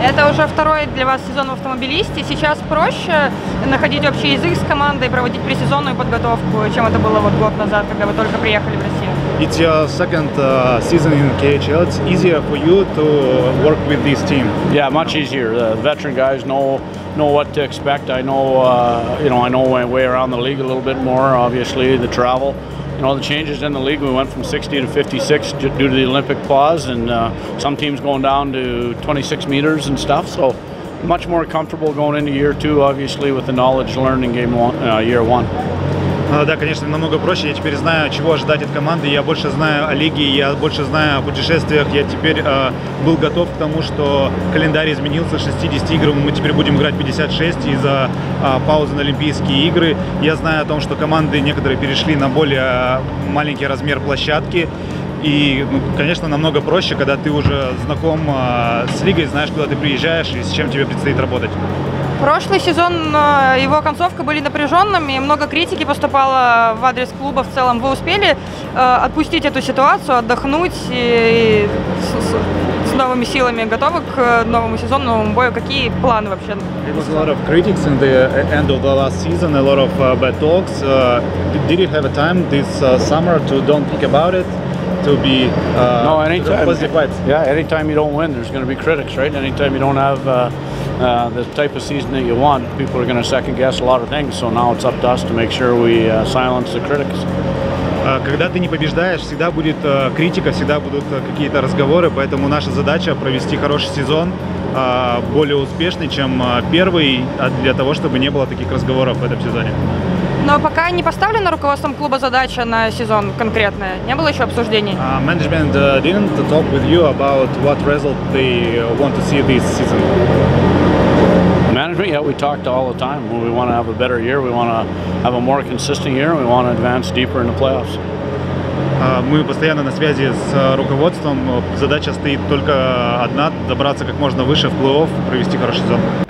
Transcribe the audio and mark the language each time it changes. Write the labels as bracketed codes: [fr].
[ru] Уже второй для вас сезон в «Автомобилисте». Сейчас проще находить общий язык с командой, проводить пресезонную подготовку, чем это было вот год назад, когда вы только приехали в Россию. [en] It's your second season in KHL. It's easier for you to work with this team. Yeah, much easier. The veteran guys know what to expect. I know, I know my way around the league a little bit more. Obviously, the travel. All the changes in the league, we went from 60 to 56 due to the Olympic pause, and some teams going down to 26 meters and stuff, so much more comfortable going into year two, obviously, with the knowledge learning game year one. [ru] Да, конечно, намного проще. Я теперь знаю, чего ожидать от команды. Я больше знаю о лиге, я больше знаю о путешествиях. Я теперь был готов к тому, что календарь изменился. 60 игр, мы теперь будем играть 56 из-за паузы на Олимпийские игры. Я знаю о том, что команды некоторые перешли на более маленький размер площадки. И, ну, конечно, намного проще, когда ты уже знаком с лигой, знаешь, куда ты приезжаешь и с чем тебе предстоит работать. Прошлый сезон, его концовка были напряженными, много критики поступало в адрес клуба в целом. Вы успели отпустить эту ситуацию, отдохнуть и с новыми силами готовы к новому сезону, новому бою? Какие планы вообще? [en] There was a lot of critics in the end of the last season, a lot of bad talks. Did you have a time this summer to don't think about it? To be no, anytime. Yeah, anytime you don't win, there's going to be critics, right? Anytime you don't have the type of season that you want, people are going to second guess a lot of things. So now it's up to us to make sure we silence the critics. [ru] Когда ты не побеждаешь, всегда будет критика, всегда будут какие-то разговоры. Поэтому наша задача провести хороший сезон, более успешный, чем первый, для того, чтобы не было таких разговоров в этом сезоне. Но пока не поставлена руководством клуба задача на сезон конкретная. Не было еще обсуждений. [en] Management didn't talk with you about what result they want to see this season. Management, yeah, we talked all the time. We want to have a better year. We want to have a more consistent year. We want to advance deeper in the playoffs. [ru] Мы постоянно на связи с руководством. Задача стоит только одна: добраться как можно выше в плей-офф, провести хороший сезон.